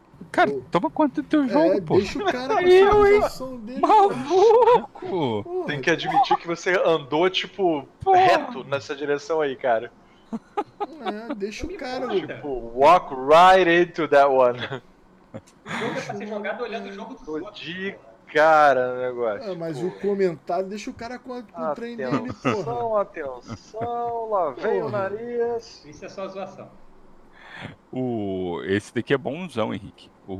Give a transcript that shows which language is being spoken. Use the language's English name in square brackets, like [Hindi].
[Portuguese] Cara, toma conta do teu jogo, pô. Deixa o cara aí, eu, hein? Maluco! Tem que admitir que você andou, tipo, porra, reto nessa direção aí, cara. É, deixa o cara. Porra. [English] Tipo, walk right into that one. [Portuguese] O jogo é pra ser jogado olhando o jogo do outro. Cara, o negócio. É, mas porra, o comentário deixa o cara com o trem dele, porra. Atenção, lá vem o nariz. Isso é só zoação. Esse daqui é bonzão, Henrique.